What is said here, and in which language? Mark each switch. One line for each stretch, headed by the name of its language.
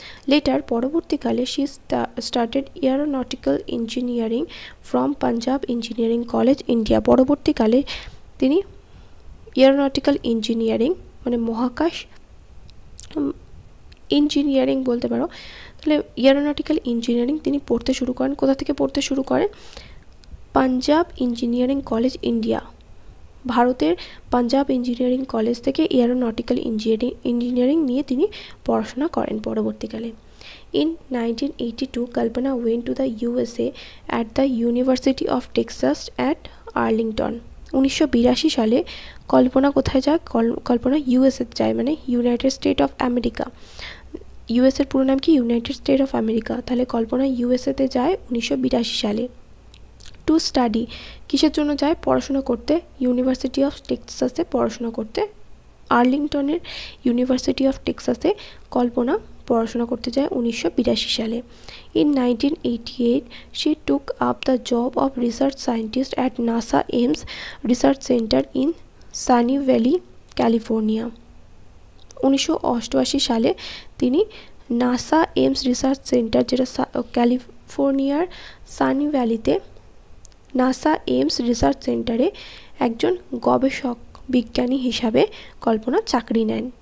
Bangla: Letter পরবর্তীকালে
English: she started aeronautical engineering from Punjab engineering college India,
Bangla: পরবর্তীকালে তিনি এয়ারোনটিক্যাল ইঞ্জিনিয়ারিং মানে মহাকাশ ইঞ্জিনিয়ারিং বলতে পারো, তাহলে এয়ারোনটিক্যাল ইঞ্জিনিয়ারিং তিনি পড়তে শুরু করেন। কোথা থেকে পড়তে শুরু করে? পাঞ্জাব ইঞ্জিনিয়ারিং কলেজ ইন্ডিয়া, ভারতের পাঞ্জাব ইঞ্জিনিয়ারিং কলেজ থেকে এয়ারোনটিক্যাল ইঞ্জিনিয়ারিং নিয়ে তিনি পড়াশোনা করেন পরবর্তীকালে।
English: In 1982, Kalpana went to the USA at the University of Texas at Arlington.
Bangla: 1982 সালে কল্পনা কোথায় যায়? কল্পনা ইউএসএ যায়, মানে United state of America. USA এর পুরো নাম কি? United state of America. তাহলে কল্পনা ইউএসএ তে যায় 1982 সালে।
English: to study,
Bangla: কিসের জন্য যায়? পড়াশোনা করতে। ইউনিভার্সিটি অফ টেক্সাসে পড়াশোনা করতে, আর্লিংটনের ইউনিভার্সিটি অফ টেক্সাসে কল্পনা পড়াশোনা করতে যায় 1982 সালে।
English: In 1988, she took up the job of research scientist at NASA Ames Research Center in Sunny Valley, California.
Bangla: 1988 সালে তিনি NASA Ames Research Center, যেটা ক্যালিফোর্নিয়ার সানি ভ্যালিতে, NASA Ames Research Centerে একজন গবেষক বিজ্ঞানী হিসাবে কল্পনা চাকরি নেন।